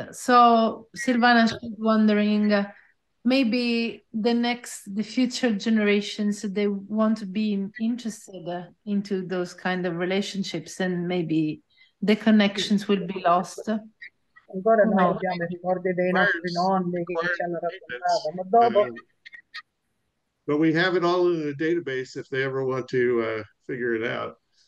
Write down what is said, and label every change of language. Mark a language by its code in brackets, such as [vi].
[en] So Silvana is wondering, maybe the future generations, they want to be interested into those kind of relationships, and maybe the connections will be lost. [it] Ancora noi abbiamo i ricordi dei nostri nonni che ci hanno raccontato, ma dopo. [en] But we have it all in a database if they ever want to figure it out.